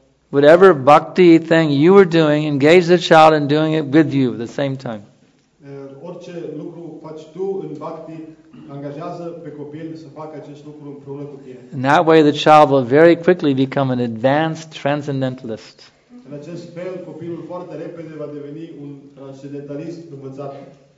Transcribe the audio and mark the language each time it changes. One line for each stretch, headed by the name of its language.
English: Whatever bhakti thing you were doing, engage the child in doing it with you at the same time.
Romanian: Orice lucru faci tu în bhakti, angajează pe copil să facă acest lucru împreună cu tine.
English: In that way, the child will very quickly become an advanced transcendentalist.
Romanian: În acest fel, copilul foarte repede va deveni un transcendentalist învățat.